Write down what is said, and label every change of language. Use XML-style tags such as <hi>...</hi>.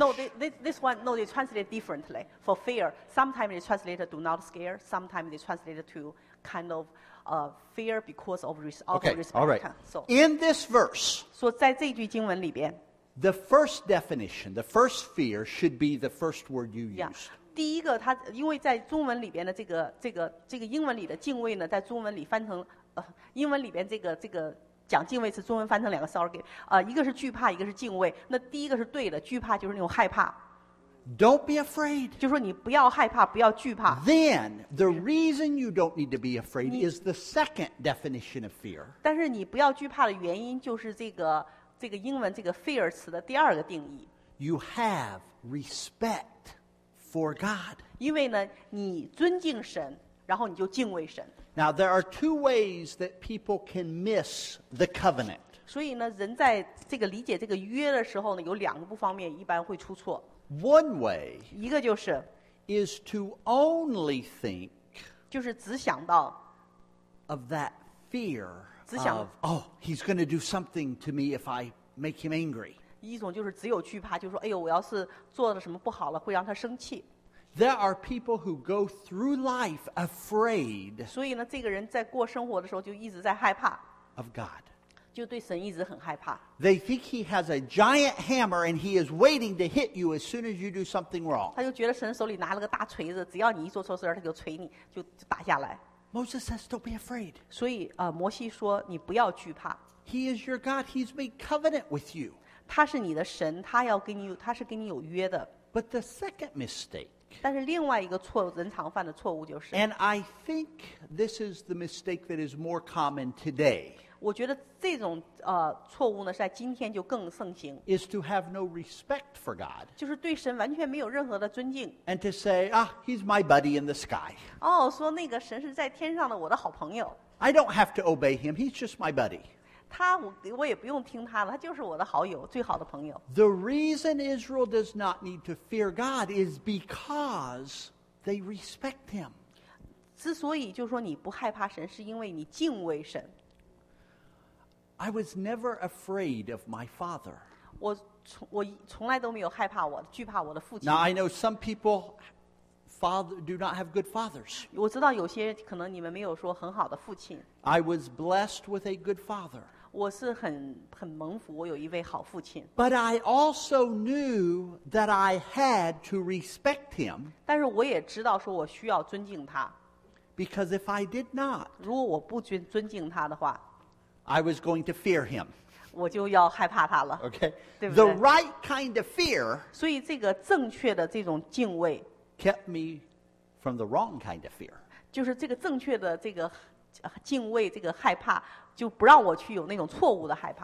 <en>No, they translate differently. For fear, sometimes they translate do not scare. Sometimes they translate to kind of fear because of respect. Okay, respect. All right. So, in this verse,</en> <zh>so 在这句经文里边,</zh> <en>the first definition, the first fear should be the first word you use. Yeah.</en> <zh>第一个它因为在中文里边的这个英文里的敬畏呢在中文里翻成英文里边这个讲敬畏词中文翻成两个 sorry 一个是惧怕一个是敬畏那第一个是对的惧怕就是那种害怕</zh> <en>Don't be afraid</en> <zh>就是说你不要害怕不要惧怕</zh> <en>Then the reason you don't need to be afraid is the second definition of fear</en> <zh>但是你不要惧怕的原因就是这个英文这个 fear 词的第二个定义</zh> <en>You have respectFor God.</en> <zh>因为呢，你尊敬神，然后你就敬畏神。</zh> <en>Now there are two ways that people can miss the covenant.</en> <zh>所以呢，人在这个理解这个约的时候呢，有两个不方面一般会出错。</zh> <en>One way.</en> <zh>一个就是</zh> <en>is to only think.</en> <zh>就是只想到</zh> <en>of that fear.</en> <zh>只想</zh> <en>of, oh, he's going to do something to me if I make him angry.</en> <zh>一种就是只有惧怕，就是说，哎呦，我要是做了什么不好了，会让他生气。</zh> <en>There are people who go through life afraid.</en> <zh>所以呢，这个人在过生活的时候就一直在害怕。</zh> <en>Of God.</en> <zh>就对神一直很害怕。</zh> <en>They think he has a giant hammer and he is waiting to hit you as soon as you do something wrong.</en> <zh>他就觉得神手里拿了个大锤子，只要你一做错事他就锤你，就打下来。</zh> <en>Moses says, "Don't be afraid."</en> <zh>所以摩西说，你不要惧怕。</zh> <en>He is your God. He's made covenant with you.</en> <zh>他是你的神，他要跟你，他是跟你有约的。</zh> <en>But the second mistake.</en> <zh>但是另外一个错误，人常犯的错误就是。</zh> <en>And I think this is the mistake that is more common today.</en> <zh>我觉得这种错误呢，在今天就更盛行。</zh> <en>Is to have no respect for God.</en> <zh>就是对神完全没有任何的尊敬。</zh> <en>And to say, ah, he's my buddy in the sky.</en> <zh>哦，说那个神是在天上的，我的好朋友。</zh> <en>I don't have to obey him. He's just my buddy.</en> <zh>我也不用听他了，他就是我的好友，最好的朋友。</zh> <en>The reason Israel does not need to fear God is because they respect him.</en> <zh>之所以就是说你不害怕神，是因为你敬畏神。</zh> <en>I was never afraid of my father.</en> <zh>我从来都没有害怕我，惧怕我的父亲。</zh> <en>Now I know some people do not have good fathers.</en> <zh>我知道有些可能你们没有说很好的父亲。</zh> <en>I was blessed with a good father.</en> <zh>我是很蒙福，我有一位好父亲。</zh> <en>But I also knew that I had to respect him.</en> <zh>但是我也知道说我需要尊敬他。</zh> <en>Because if I did not,</en> <zh>如果我不尊敬他的话</zh> <en>，I was going to fear him.</en> <zh>我就要害怕他了。</zh> <en>Okay,</en> <zh>对不对</zh> <en>？The right kind of fear.</en> <zh>所以这个正确的这种敬畏</zh> <en>kept me from the wrong kind of fear.</en> <zh>就是这个正确的这个敬畏，这个害怕。就不让我去有那种错误的害怕。</zh>